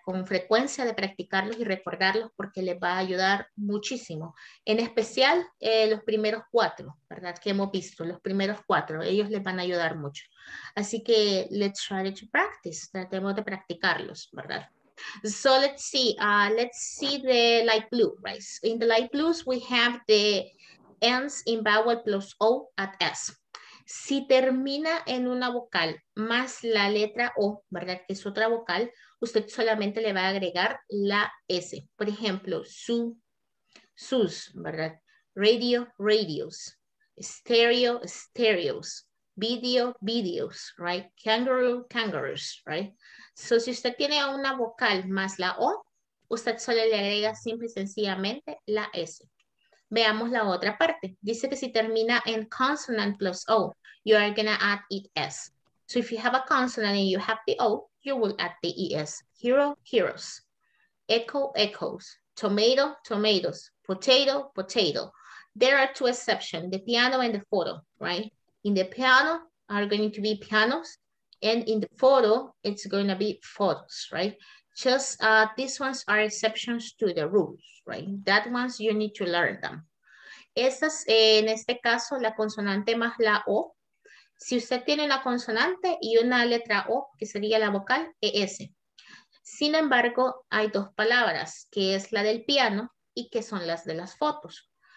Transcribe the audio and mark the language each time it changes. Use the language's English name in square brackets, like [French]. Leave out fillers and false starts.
[Spanish] Con frecuencia de practicarlos y recordarlos porque les va a ayudar muchísimo. En especial los primeros cuatro, ¿verdad? Que hemos visto, los primeros cuatro, ellos les van a ayudar mucho. Así que [English] let's try to practice, [Spanish] tratemos de practicarlos, ¿verdad? [English] So let's see the light blue, right? In the light blues we have the ends in vowel plus O at S. [Spanish] Si termina en una vocal más la letra O, ¿verdad? Que es otra vocal, usted solamente le va a agregar la S. Por ejemplo, su, sus, ¿verdad? [English] Radio, radios. Stereo, stereos. Video, videos, right? Kangaroo, kangaroos, right? [Spanish] So, si usted tiene una vocal más la O, usted solo le agrega simple y sencillamente la S. Veamos la otra parte. Dice que si termina en [English] consonant plus O, you are gonna add it S. So, if you have a consonant and you have the O, you will add the ES. Hero, heroes. Echo, echoes. Tomato, tomatoes. Potato, potato. There are two exceptions, the piano and the photo, right? In the piano are going to be pianos, and in the photo, it's going to be photos, right? Just these ones are exceptions to the rules, right? That ones you need to learn them. [Spanish] Esas, en este caso, la consonante más la O. Si usted tiene una consonante y una letra O, que sería la vocal, ES. Sin embargo, hay dos palabras, que es la del piano y que son las de las fotos.